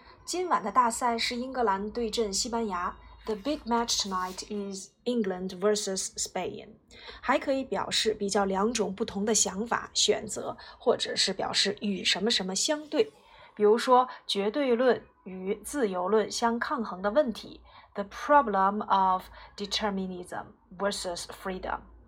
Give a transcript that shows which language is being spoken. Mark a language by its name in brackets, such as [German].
[Chinese] 今晚的大赛是英格兰对阵西班牙。 [English] The big match tonight is England versus Spain. [Chinese] 还可以表示比较两种不同的想法、选择，或者是表示与什么什么相对。比如说绝对论与自由论相抗衡的问题。 [English] The problem of determinism versus freedom.